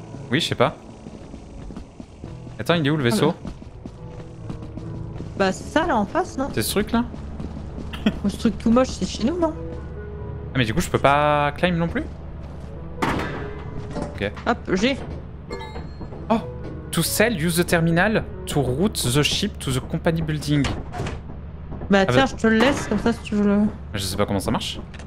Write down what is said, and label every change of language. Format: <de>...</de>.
<fr>Oui, je sais pas. Attends, il est où le vaisseau? Bah c'est ça là en face, non? C'est ce truc là? Ce truc tout moche, c'est chez nous, non? Ah mais du coup, je peux pas climb non plus? Ok. Hop, j'ai. Oh!</fr> <en>To sell, use the terminal to route the ship to the company building.</en> <fr>Bah tiens, je te le laisse comme ça si tu veux le... Je sais pas comment ça marche.</fr>